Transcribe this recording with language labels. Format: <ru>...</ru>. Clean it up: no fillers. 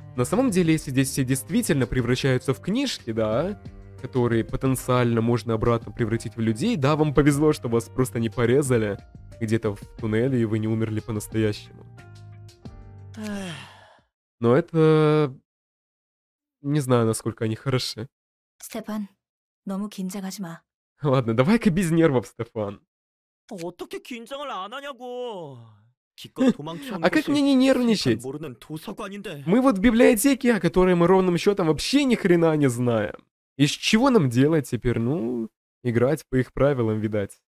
<ru>На самом деле, если здесь все действительно превращаются в книжки, да, которые потенциально можно обратно превратить в людей, да, вам повезло, что вас просто не порезали где-то в туннеле, и вы не умерли по-настоящему. Но это... Не знаю, насколько они хороши.</ru> <ko>Степан, 너무 긴장하지 마.</ko> <ru>Ладно, давай-ка без нервов, Степан. А как мне не нервничать? Мы вот в библиотеке, о которой мы ровным счетом вообще ни хрена не знаем. И с чего нам делать теперь? Ну, играть по их правилам, видать.</ru>